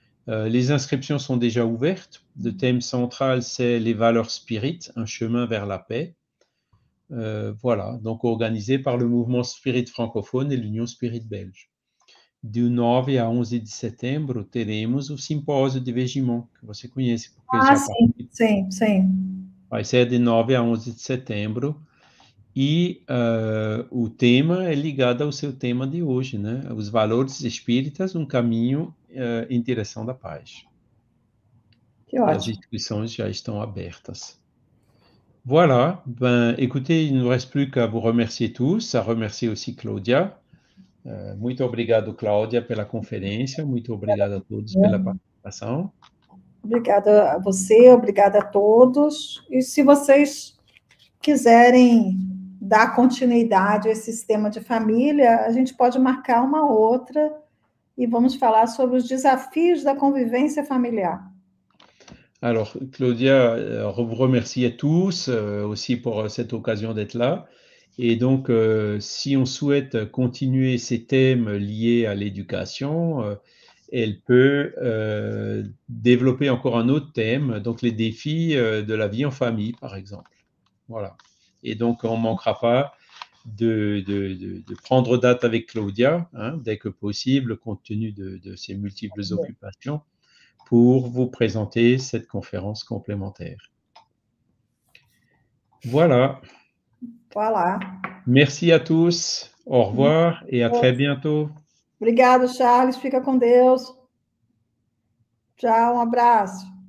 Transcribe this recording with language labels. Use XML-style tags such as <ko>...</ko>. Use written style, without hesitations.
<fr>Les inscriptions sont déjà ouvertes. Le thème central, c'est les valeurs spirites, un chemin vers la paix. Voilà, donc organisé par le mouvement spirite francophone et l'Union spirite belge. Du 9 à 11 et 10 septembre,</fr> <pt>teremos o simpósio de Végimont,</pt> <fr>que vous connaissez, porque Ah,</fr> <pt>já participé. sim. Vai ser de 9 a 11 de setembro. E o tema é ligado ao seu tema de hoje, né? Os valores espíritas, um caminho em direção da paz. Que E as ótimo. inscrições já estão abertas.</pt> <fr>Voilà. Ben, écoutez, il ne nous reste plus qu'à vous remercier tous, à remercier aussi Claudia.</fr> <pt>Muito obrigado, Claudia, pela conferência. Muito obrigado a todos pela participação. Obrigada a você, obrigada a todos. E se vocês quiserem dar continuidade a esse sistema de família, a gente pode marcar uma outra e vamos falar sobre os desafios da convivência familiar.</pt> <fr>Alors, Claudia, vous remercie à tous aussi pour cette occasion d'être là. Et donc, si on souhaite continuer ces thèmes liés à l'éducation, elle peut développer encore un autre thème, donc les défis de la vie en famille, par exemple. Voilà. Et donc, on ne manquera pas de prendre date avec Claudia, hein, dès que possible, compte tenu de ses multiples occupations, pour vous présenter cette conférence complémentaire. Voilà. Voilà. Merci à tous. Au revoir et à très bientôt.</fr> <pt>Obrigado, Charles. Fica com Deus. Tchau, um abraço.</pt>